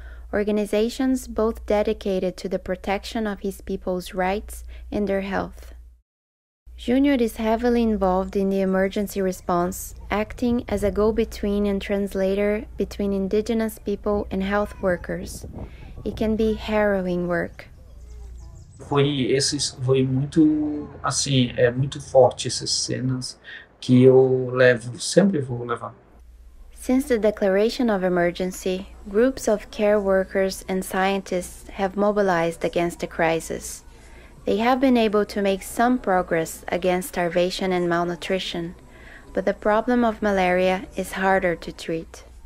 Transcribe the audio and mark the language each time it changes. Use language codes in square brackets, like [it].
[en] Organizations both dedicated to the protection of his people's rights and their health. Junior is heavily involved in the emergency response, acting as a go-between and translator between indigenous people and health workers. It can be harrowing work. [pt] Foi muito assim, muito forte essas cenas que eu levo, sempre vou levar. [en] Since the declaration of emergency, groups of care workers and scientists have mobilized against the crisis. They have been able to make some progress against starvation and malnutrition, but the problem of malaria is harder to treat.